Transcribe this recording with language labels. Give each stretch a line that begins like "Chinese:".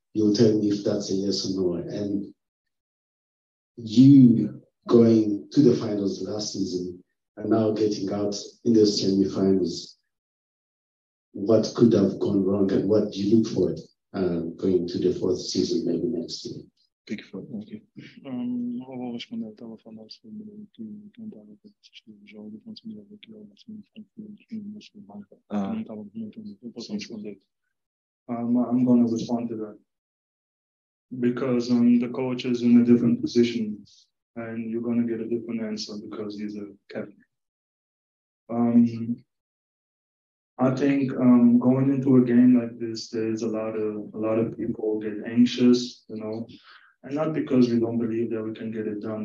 English: You'll tell me if that's a yes or no. And you going to the finals last season and now getting out in those semifinals, what could have gone wrong and what do you look for going to the fourth season, maybe next year? Thank you.
Portuguese: Eu vou responder. Eu estava falando sobre o que eu contava para assistir o jogo, quando você me levou aqui, eu não estava comentando. Eu posso responder.
English: I'm going to respond to that. Because the coach is in a different position and you're going to get a different answer because he's a captain. I think going into a game like this, there's a lot of people get anxious, you know, and not because we don't believe that we can get it done.